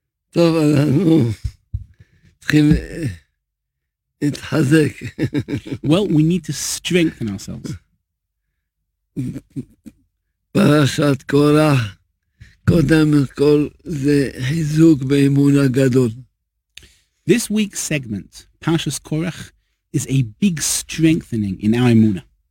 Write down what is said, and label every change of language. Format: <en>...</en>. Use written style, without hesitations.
<he>טוב, אנחנו צריכים להתחזק.</he> <en>Well, we need to strengthen ourselves.</en> <he>פרשת קורח, קודם כל, זה חיזוק באמון הגדול.</he> <en>This week's segment, Parshas Korach, is a big strengthening in our emunah.</en>